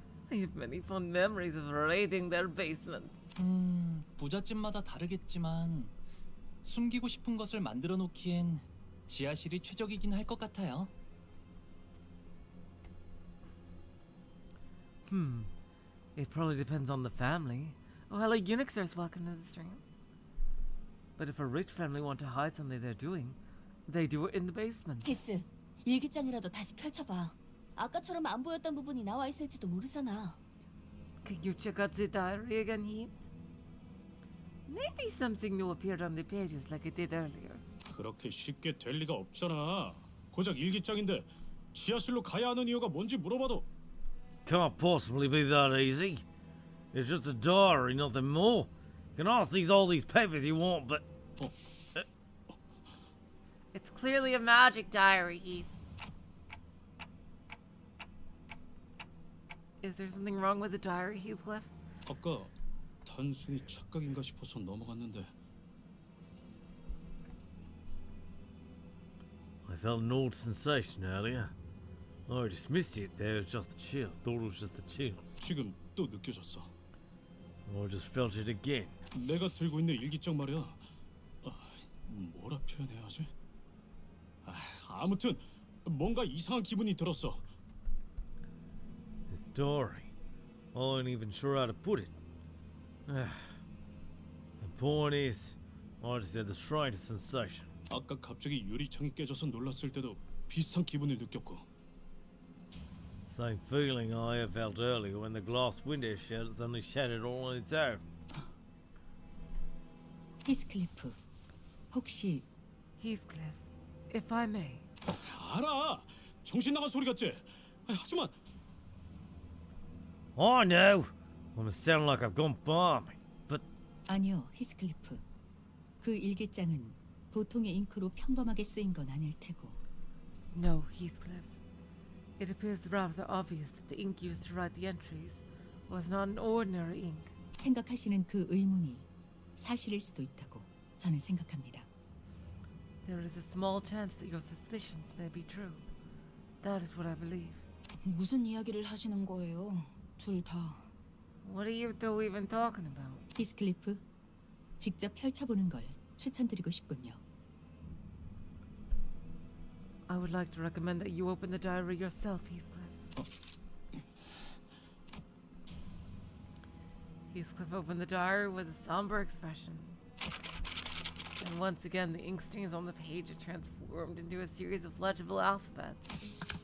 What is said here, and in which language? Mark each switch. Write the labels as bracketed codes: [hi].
[en] I have many fond memories of raiding their basement. [ko] 부잣집마다 다르겠지만 숨기고 싶은 것을 만들어 놓기엔 지하실이 최적이긴 할 것 같아요. [en] It probably depends on the family. Oh, hello, eunuchs are welcome to the stream. But if a rich family want to hide something they're doing, they do it in the basement. [ko] 키스, 일기장이라도 다시 펼쳐봐. 아까처럼 안 보였던 부분이 나와 있을지도 모르잖아. [en] Could you check out the diary again, Heath? Maybe something new appeared on the pages like it did earlier. [ko] 그렇게 쉽게 될 리가 없잖아. 고작 일기장인데 지하실로 가야 하는 이유가 뭔지 물어봐도. [en] Can't possibly be that easy. It's just a diary, nothing more. You can ask these all these papers you want, but... It's clearly a magic diary, Heath. Is there something wrong with the diary, Heathcliff? [ko] 아까 단순히 착각인가 싶어서 넘어갔는데... [en] I felt an old sensation earlier. Oh, I dismissed it. There was just the chill. Thought it was just the chills. [ko] 지금 또 느껴졌어. [en] Oh, I just felt it again. [ko] 내가 들고 있는 일기장 말이야. 아, 뭐라 표현해야 하지? 아, 아무튼 뭔가 이상한 기분이 들었어. [en] It's story. I ain't even sure how to put it. The point is, I just had the strangest sensation. [ko] 아까 갑자기 유리창이 깨져서 놀랐을 때도 비슷한 기분을 느꼈고. [en] Same feeling I have felt earlier when the glass window shutter suddenly shattered all on its own. [ko] Heathcliff, 혹시 [en] Heathcliff, if I may. [ko] 알아, 정신 나간 소리 같지? 하지만 [en] I know. I'm sounding like I've gone balmy, but [ko] 아니요, Heathcliff. 그 일기장은 보통의 잉크로 평범하게 쓰인 건 아닐 테고. [en] No, Heathcliff. It appears rather obvious that the ink used to write the entries was not an ordinary ink. [ko] 생각하시는 그 의문이 사실일 수도 있다고 저는 생각합니다. [en] There is a small chance that your suspicions may be true. That is what I believe. [ko] 무슨 이야기를 하시는 거예요, 둘 다? [en] What are you two even talking about? [ko] 히스클리프, 직접 펼쳐보는 걸 추천드리고 싶군요. [en] I would like to recommend that you open the diary yourself, Heathcliff. Heathcliff opened the diary with a somber expression. And once again, the ink stains on the page are transformed into a series of legible alphabets.